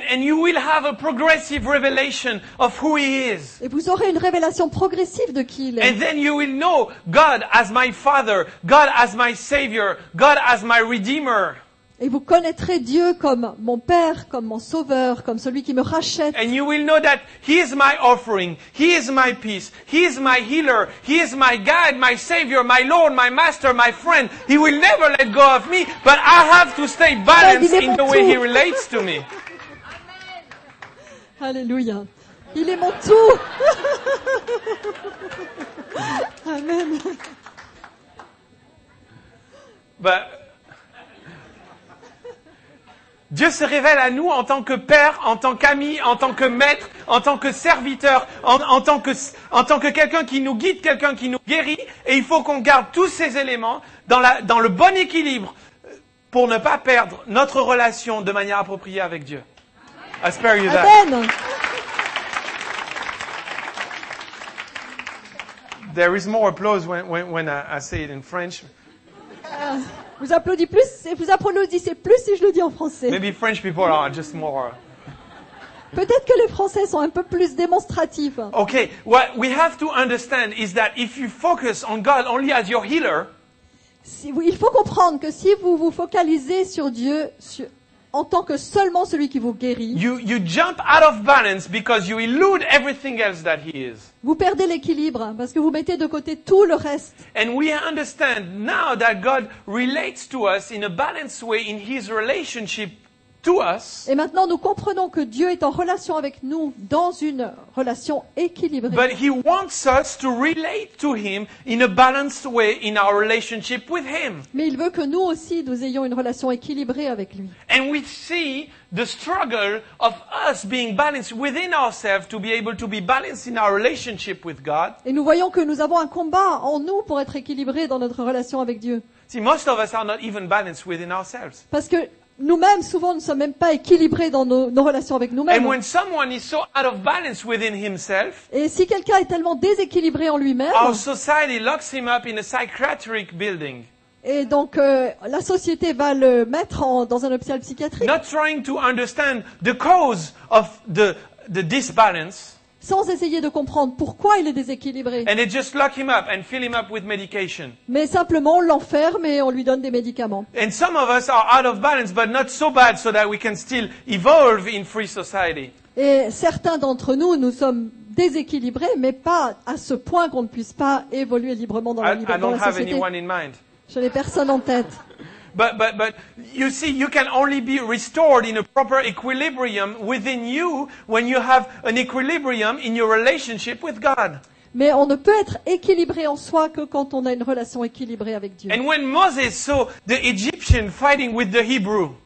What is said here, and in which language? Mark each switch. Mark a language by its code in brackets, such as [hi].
[en] And you will have a progressive revelation of who he is. [fr] Et vous aurez une révélation progressive de qui il est. [en] And then you will know God as my Father, God as my Savior, God as my Redeemer. [fr] Et vous connaîtrez Dieu comme mon Père, comme mon Sauveur, comme celui qui me rachète. [en] And you will know that He is my offering, He is my peace, He is my healer, He is my guide, my Savior, my Lord, my Master, my friend. He will never let go of me, but I have to stay balanced in the way He relates to me. [fr] Amen. Alléluia. Il est mon tout. Amen. But Dieu se révèle à nous en tant que père, en tant qu'ami, en tant que maître, en tant que serviteur, en tant que quelqu'un qui nous guide, quelqu'un qui nous guérit, et il faut qu'on garde tous ces éléments dans le bon équilibre pour ne pas perdre notre relation de manière appropriée avec Dieu. [en] I spare you that. Amen. There is more applause when I say it in French. [fr] Vous applaudissez plus et vous applaudissez plus si je le dis en français. [en] Maybe French people are just more. [fr] Peut-être que les Français sont un peu plus démonstratifs. [en] Okay, what we have to understand is that if you focus on God only as your healer, [fr] il faut comprendre que si vous vous focalisez sur Dieu en tant que seulement celui qui vous guérit, [en] you jump out of balance because you elude everything else that He is. [fr] Vous perdez l'équilibre parce que vous mettez de côté tout le reste. [en] And we understand now that God relates to us in a balanced way in His relationship to us. [fr] Et maintenant nous comprenons que Dieu est en relation avec nous dans une relation équilibrée. [en] But He wants us to relate to Him in a balanced way in our relationship with Him. [fr] Mais il veut que nous aussi nous ayons une relation équilibrée avec lui. [en] And we see the struggle of us being balanced within ourselves to be able to be balanced in our relationship with God. [fr] Et nous voyons que nous avons un combat en nous pour être équilibrés dans notre relation avec Dieu. [en] See, most of us are not even balanced within ourselves. [fr] Parce que nous-mêmes, souvent, ne sommes même pas équilibrés dans nos relations avec nous-mêmes. [en] And when someone is so out of balance within himself, [fr] et si quelqu'un est tellement déséquilibré en lui-même, [en] our society locks him up in a psychiatric building. [fr] Et donc, la société va le mettre dans un hôpital psychiatrique. [en] Not trying to understand the cause of the disbalance. [fr] Sans essayer de comprendre pourquoi il est déséquilibré. [en] And they just lock him up and fill him up with medication. [fr] Mais simplement on l'enferme et on lui donne des médicaments. [en] And some of us are out of balance, but not so bad so that we can still evolve in free society. [fr] Et certains d'entre nous sommmes déséquilibrés, mais pas à ce point qu'on ne puisse pas évoluer librement dans la liberté. [en] I don't have anyone in mind. [fr] Je n'ai personne en tête. [en] But you see, you can only be restored in a proper equilibrium within you when you have an equilibrium in your relationship with God. [fr] Mais on ne peut être équilibré en soi que quand on a une relation équilibrée avec Dieu. [en] And when Moses saw the Egyptian fighting with the Hebrew,